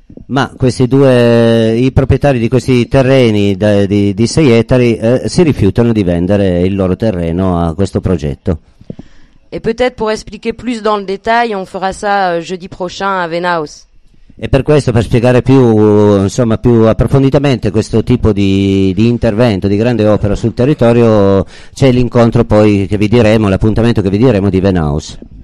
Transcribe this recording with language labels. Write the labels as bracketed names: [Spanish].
[Italian] Ma questi due i proprietari di questi terreni di 6 ettari si rifiutano di vendere il loro terreno a questo progetto. [French] Et peut-être pour expliquer plus dans le détail, on fera ça jeudi prochain à Venaus. [Italian] E per questo, per spiegare più, insomma, più approfonditamente questo tipo di intervento, di grande opera sul territorio, c'è l'incontro poi che vi diremo, l'appuntamento che vi diremo di Venaus.